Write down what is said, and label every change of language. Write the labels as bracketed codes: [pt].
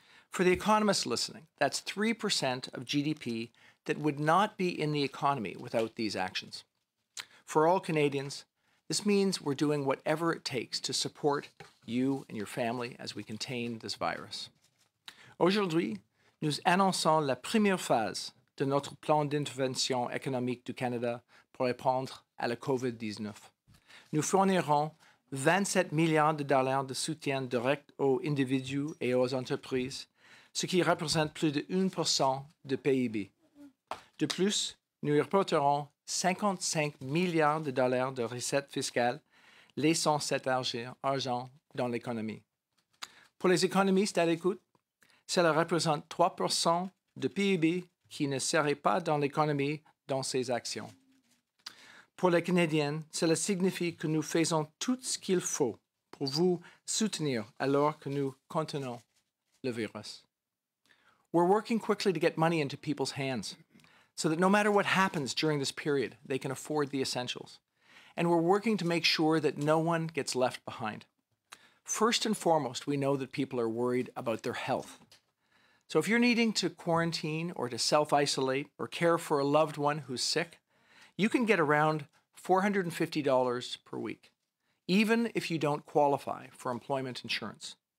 [en] For the economists listening, that's 3% of GDP that would not be in the economy without these actions. For all Canadians, this means we're doing whatever it takes to support you and your family as we contain this virus. [fr] Aujourd'hui, nous annonçons la première phase de notre plan d'intervention économique du Canada pour répondre à la COVID-19. Nous fournirons 27 milliards de dollars de soutien direct aux individus et aux entreprises, ce qui représente plus de 1% du PIB. De plus, nous reporterons 55 milliards de dollars de recettes fiscales, laissant cet argent dans l'économie. Pour les économistes à l'écoute, cela représente 3% du PIB qui ne serait pas dans l'économie dans ces actions. Pour les Canadiens, cela signifie que nous faisons tout ce qu'il faut pour vous soutenir alors que nous contenons le virus. [en] We're working quickly to get money into people's hands, so that no matter what happens during this period, they can afford the essentials. And we're working to make sure that no one gets left behind. First and foremost, we know that people are worried about their health. So if you're needing to quarantine or to self-isolate or care for a loved one who's sick, you can get around $450 per week, even if you don't qualify for employment insurance.